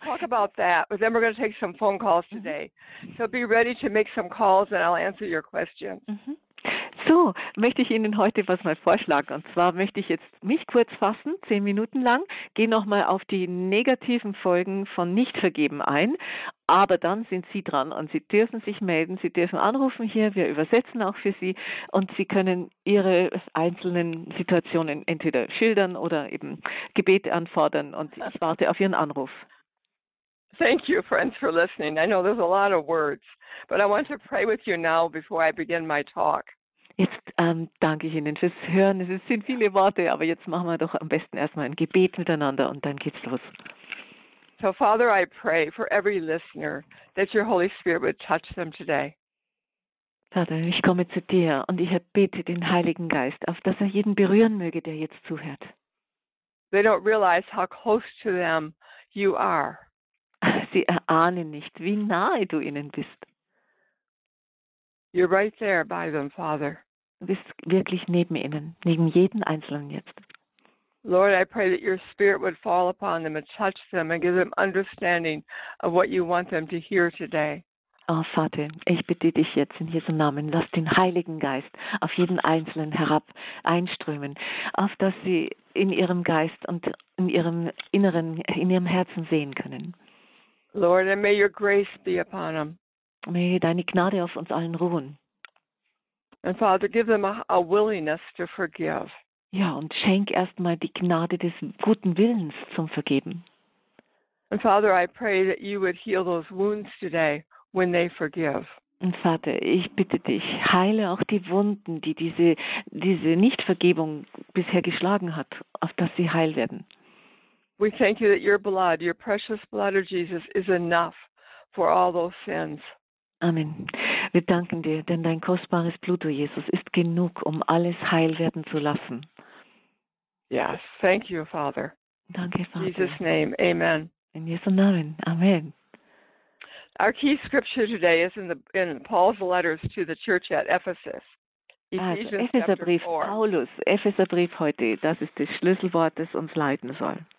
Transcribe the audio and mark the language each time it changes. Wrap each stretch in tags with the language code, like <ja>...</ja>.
<en>talk about that, but then we're going to take some phone calls today. Mm-hmm. So be ready to make some calls and I'll answer your questions. Mm-hmm.</en> <de>So, möchte ich Ihnen heute was mal vorschlagen. Und zwar möchte ich jetzt mich kurz fassen, 10 Minuten lang, gehe nochmal auf die negativen Folgen von Nichtvergeben ein. Aber dann sind Sie dran und Sie dürfen sich melden, Sie dürfen anrufen hier, wir übersetzen auch für Sie und Sie können Ihre einzelnen Situationen entweder schildern oder eben Gebet anfordern und ich warte auf Ihren Anruf.</de> <en>Thank you, friends, for listening. I know there's a lot of words, but I want to pray with you now before I begin my talk.</en> <de>Jetzt danke ich Ihnen fürs Hören. Es sind viele Worte, aber jetzt machen wir doch am besten erstmal ein Gebet miteinander und dann geht's los.</de> <en>So, Father, I pray for every listener that your Holy Spirit would touch them today.</en> <de>Vater, ich komme zu dir und ich bete den Heiligen Geist, auf dass er jeden berühren möge, der jetzt zuhört.</de> <en>They don't realize how close to them you are.</en> <de>Sie erahnen nicht, wie nahe du ihnen bist.</de> <en>You're right there by them, Father.</en> <de>Du bist wirklich neben ihnen, neben jedem Einzelnen jetzt.</de> <en>Lord, I pray that your spirit would fall upon them and touch them and give them understanding of what you want them to hear today.</en> <de>Oh, Vater, ich bitte dich jetzt in Jesu Namen, lass den Heiligen Geist auf jeden Einzelnen herab einströmen, auf dass sie in ihrem Geist und in ihrem Inneren, in ihrem Herzen sehen können.</de> <en>Lord, and may your grace be upon them.</en> <de>Möge deine Gnade auf uns allen ruhen.</de> <en>And Father, give them a willingness to forgive.</en> <de>Ja, und schenk erstmal die Gnade des guten Willens zum Vergeben.</de> <en>And Father, I pray that you would heal those wounds today when they forgive.</en> <de>Und Vater, ich bitte dich, heile auch die Wunden, die diese Nichtvergebung bisher geschlagen hat, auf dass sie heil werden.</de> <en>We thank you that your blood, your precious blood of Jesus is enough for all those sins. Amen.</en> <de>Wir danken dir, denn dein kostbares Blut, oh Jesus, ist genug, um alles heil werden zu lassen.</de> <en>Yes, thank you, Father.</en> <de>Danke, Vater.</de> <en>In Jesus' name, amen.</en> <de>In Jesu Namen, amen.</de> <en>Our key scripture today is in Paul's letters to the church at Ephesus.</en> <de>Also, Epheserbrief, Paulus, Epheserbrief heute, das ist das Schlüsselwort, das uns leiten soll.</de>